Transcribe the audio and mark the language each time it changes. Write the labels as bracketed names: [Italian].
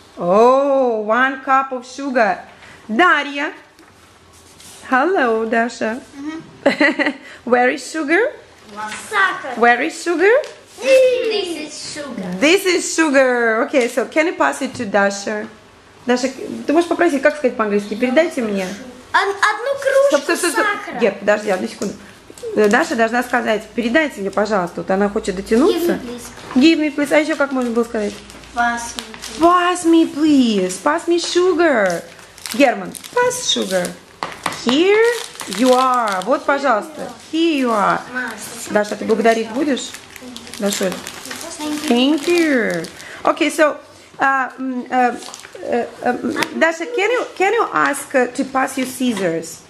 [English] Oh, one cup of sugar. Daria. Hello, Dasha. Mm-hmm. Where is sugar? Sucker. Where is sugar? This is sugar. This is sugar. Okay, so can you pass it to Dasha? [Russian] Dasha, ты можешь попросить, как сказать по-английски? Передайте мне. Одну кружку сахара. Нет, подожди, одну секунду. Даша должна сказать, передайте мне, пожалуйста. Вот она хочет дотянуться. [English] Give me, please. [Russian] А еще как можно было сказать? [English] Pass me, please. Pass me, please. Pass me sugar. German, pass sugar. Here you are. [Russian] Вот, пожалуйста. [English] Here you are. [Russian] Даша, ты благодарить будешь? Даша. [English] Thank you. Okay, so, Даша, can you ask to pass you scissors?